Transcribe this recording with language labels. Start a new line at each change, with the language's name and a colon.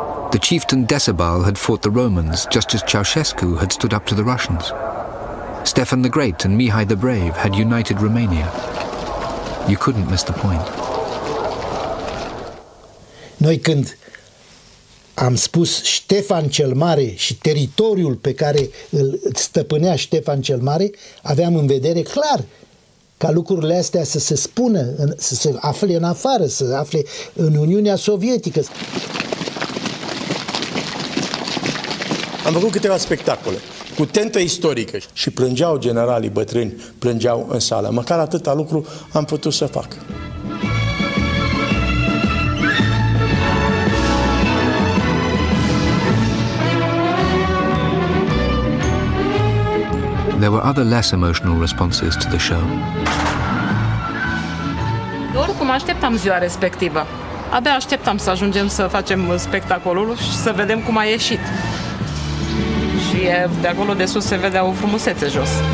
English: The chieftain Decebal had fought the Romans just as Ceaușescu had stood up to the Russians. Stefan the Great and Mihai the Brave had united Romania. You couldn't miss the point.
Romanian: Noi când am spus Ștefan cel Mare și teritoriul pe care îl stăpânea Ștefan cel Mare, aveam în vedere clar ca lucrurile astea să se spună, să se afle în afară, să se afle în Uniunea Sovietică. Am făcut câteva spectacole cu tentă istorică și plângeau generalii bătrâni, plângeau în sală. Măcar atâta lucru am putut să fac.
English: There were other less emotional responses to the show.
Romanian: Oricum așteptam ziua respectivă. Abia așteptam să ajungem să facem spectacolul și să vedem cum a ieșit. Și de acolo de sus se vedea o frumusețe jos.